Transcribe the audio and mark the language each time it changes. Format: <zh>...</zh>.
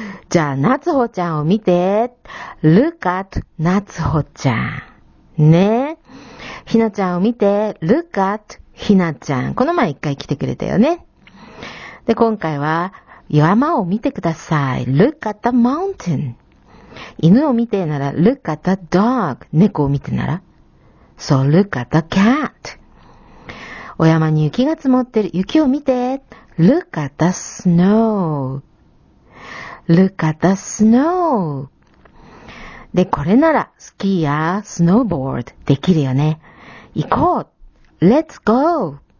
<ja>じゃあ、夏穂ちゃんを見て。</ja> <en>Look at</en> <ja>夏穂ちゃん。ね。ひなちゃんを見て。</ja> <en>Look at</en> <ja>ひなちゃん。この前一回来てくれたよね。で、今回は、山を見てください。</ja> <en>Look at the mountain。</en> <ja>犬を見てなら、</ja> <en>Look at the dog。</en> <ja>猫を見てなら、</ja> <en>So, look at the cat。</en> <ja>お山に雪が積もってる。雪を見て。</ja> <en>Look at the snow。 Look at the snow。</en> <ja>で、これなら、スキーやスノーボードできるよね。行こう。</ja> <en>Let's go。</en>